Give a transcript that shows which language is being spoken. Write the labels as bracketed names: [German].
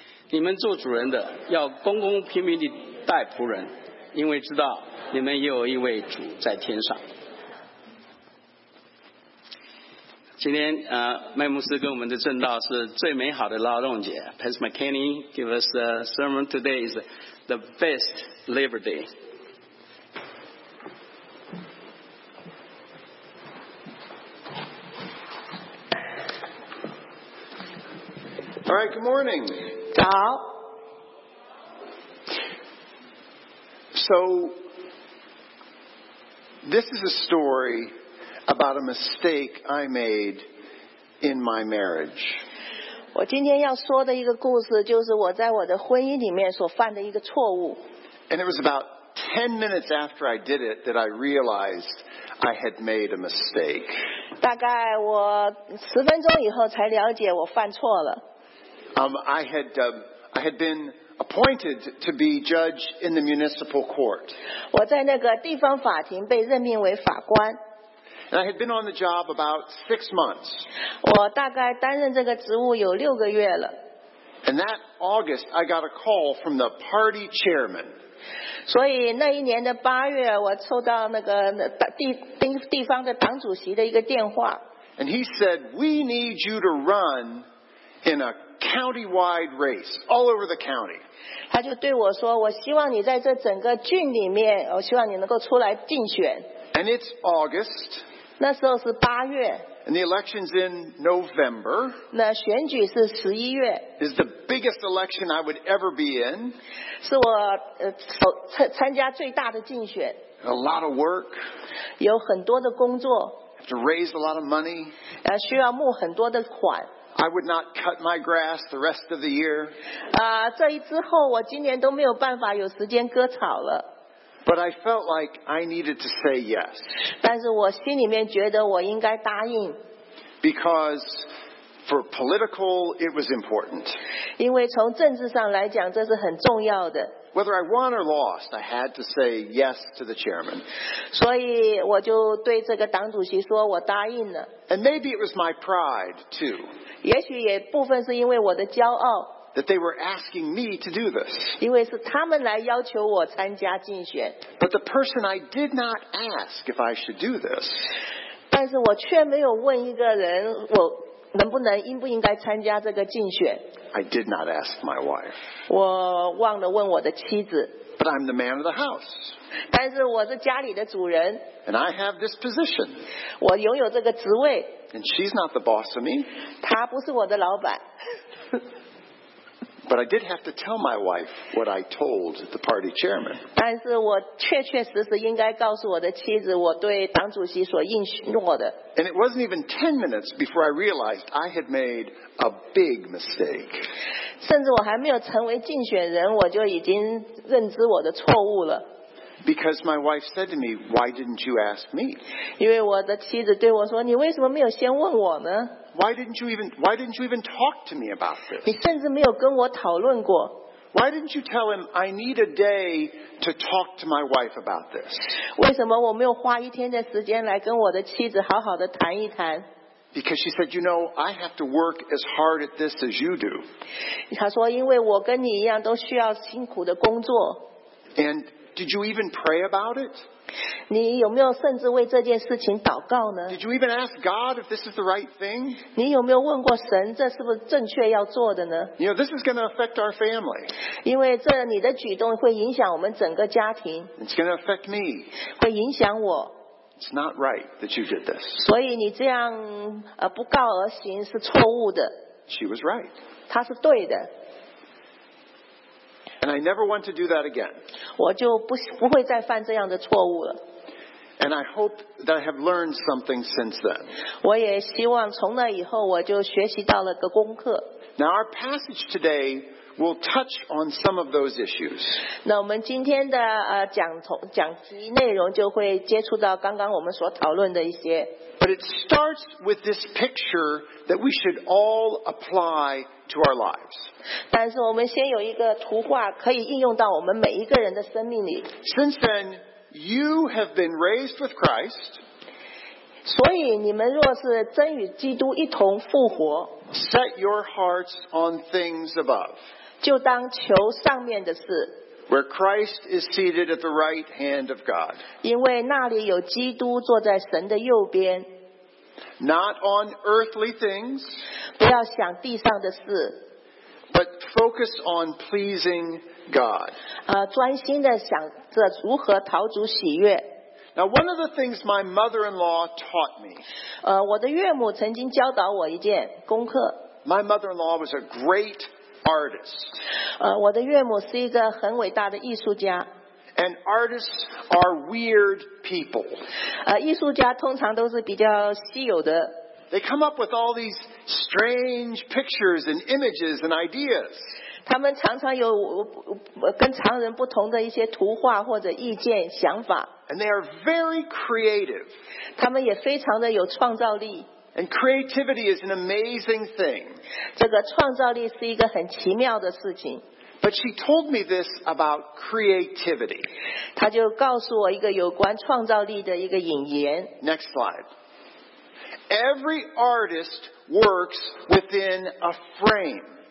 [Chinese] 你们做主人的要公公平平地待仆人，因为知道你们也有一位主在天上。今天麦牧师跟我们的证道是最美好的劳动节。 [English] Pastor McKinney give us a sermon today is the best Labor Day. All right, good morning. [Chinese] 早。 [English] So, this is a story about a mistake I made in my marriage. [Chinese] 我今天要说的一个故事就是我在我的婚姻里面所犯的一个错误。 [English] And it was about 10 minutes after I did it that I realized I had made a mistake. [Chinese] 大概我十分钟以后才了解我犯错了。 [English] I had been appointed to be judge in the municipal court. [Chinese] 我在那个地方法庭被任命为法官。 [English] And I had been on the job about 6 months. [Chinese] 我大概担任这个职务有六个月了。 [English] And that August, I got a call from the party chairman. [Chinese] 所以那一年的八月，我收到那个地方的党主席的一个电话。 [English] And he said, "We need you to run in a countywide race all over the county." [Chinese] 他就对我说，我希望你在这整个郡里面，我希望你能够出来竞选。 [English] And it's August. [Chinese] 那时候是八月。 [English] And the election's in November. [Chinese] 那选举是十一月。 [English] Is the biggest election I would ever be in. [Chinese] 是我参加最大的竞选。 [English] A lot of work. [Chinese] 有很多的工作。 [English] Have to raise a lot of money. [Chinese] 需要募很多的款。 [English] I would not cut my grass the rest of the year. [Chinese] 这一之后我今年都没有办法有时间割草了。 [English] But I felt like I needed to say yes. [Chinese] 但是我心里面觉得我应该答应。 [English] Because for political, it was important. [Chinese] 因为从政治上来讲，这是很重要的。 [English] Whether I won or lost, I had to say yes to the chairman. [Chinese] 所以我就对这个党主席说，我答应了。 [English] And maybe it was my pride too. [Chinese] 也许也部分是因为我的骄傲。 [English] That they were asking me to do this. [Chinese] 因为是他们来要求我参加竞选。 [English] But the person I did not ask if I should do this. [Chinese] 但是我却没有问一个人我能不能应不应该参加这个竞选。 [English] I did not ask my wife. [Chinese] 我忘了问我的妻子。 [English] But I'm the man of the house. [Chinese] 但是我是家里的主人。 [English] And I have this position. [Chinese] 我拥有这个职位。 [English] And she's not the boss of me. [Chinese] 她不是我的老板。 [English] But I did have to tell my wife what I told the party chairman. [Chinese] 但是我确确实实应该告诉我的妻子我对党主席所应诺的。 [English] And it wasn't even 10 minutes before I realized I had made a big mistake. [Chinese] 甚至我还没有成为竞选人，我就已经认知我的错误了。 [English] Because my wife said to me, "Why didn't you ask me?" [Chinese] 因为我的妻子对我说，你为什么没有先问我呢？ [English] Why didn't you even talk to me about this? [Chinese] 你甚至没有跟我讨论过。 [English] Why didn't you tell him I need a day to talk to my wife about this? [Chinese] 为什么我没有花一天的时间来跟我的妻子好好的谈一谈？ [English] Because she said, "You know, I have to work as hard at this as you do." [Chinese] 她说，因为我跟你一样都需要辛苦的工作。 [English] And did you even pray about it? [Chinese] 你有没有甚至为这件事情祷告呢？ [English] Did you even ask God if this is the right thing? [Chinese] 你有没有问过神这是不是正确要做的呢？ [English] You know, this is going to affect our family. [Chinese] 因为这你的举动会影响我们整个家庭。 [English] It's going to affect me. [Chinese] 会影响我。 [English] It's not right that you did this. [Chinese] 所以你这样不告而行是错误的。 [English] She was right. [Chinese] 她是对的。 [English] And I never want to do that again. [Chinese] 我就不会再犯这样的错误了。 [English] And I hope that I have learned something since then. [Chinese] 我也希望从那以后我就学习到了个功课。 [English] Now our passage today will touch on some of those issues. [Chinese] 那我们今天的讲题内容就会接触到刚刚我们所讨论的一些。 [English] But it starts with this picture that we should all apply to our lives. [Chinese] 但是我们先有一个图画可以应用到我们每一个人的生命里。 [English] Since then, you have been raised with Christ. [Chinese] 所以你们若是真与基督一同复活， [English] set your hearts on things above. [Chinese] 就当求上面的事。 [English] Where Christ is seated at the right hand of God. [Chinese] 因为那里有基督坐在神的右边。 [English] Not on earthly things. [Chinese] 不要想地上的事。 [English] But focus on pleasing God. [Chinese] 专心地想着如何讨主喜悦。 [English] Now one of the things my mother-in-law taught me. [Chinese] 我的岳母曾经教导我一件功课。 [English] My mother-in-law was a great artist. [Chinese] 我的岳母是一个很伟大的艺术家。 [English] And artists are weird people. [Chinese] 艺术家通常都是比较稀有的。 [English] They come up with all these strange pictures and images and ideas. [Chinese] 他们常常有跟常人不同的一些图画或者意见想法。 [English] And they are very creative. [Chinese] 他们也非常的有创造力。 [English] And creativity is an amazing thing. [Chinese] 这个创造力是一个很奇妙的事情。 [English] But she told me this about creativity. [Chinese] 她就告诉我一个有关创造力的一个引言。 [English] Next slide. Every artist works within a frame.